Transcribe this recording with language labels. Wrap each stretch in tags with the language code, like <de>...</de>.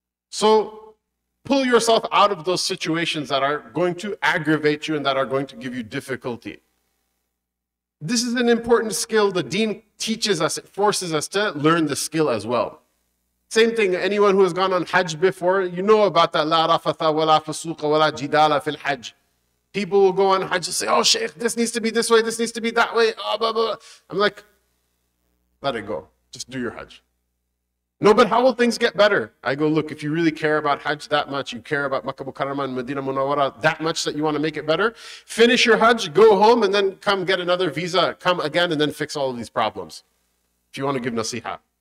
<en>So pull yourself out of those situations that are going to aggravate you and that are going to give you difficulty. This is an important skill. The deen teaches us, it forces us to learn the skill as well. Same thing, anyone who has gone on hajj before, you know about that.</en> <ar>لا رفث ولا فسوق ولا جدال في الحج.</ar> <en>People will go on hajj and say, oh Shaykh, this needs to be this way, this needs to be that way. Oh, blah, blah. I'm like, let it go. Just do your hajj. No, but how will things get better? I go, look, if you really care about hajj that much, you care about Makkah Mukarramah and Medina Munawwara that much that you want to make it better, finish your hajj, go home, and then come get another visa, come again, and then fix all of these problems. If you want to give nasiha.</en>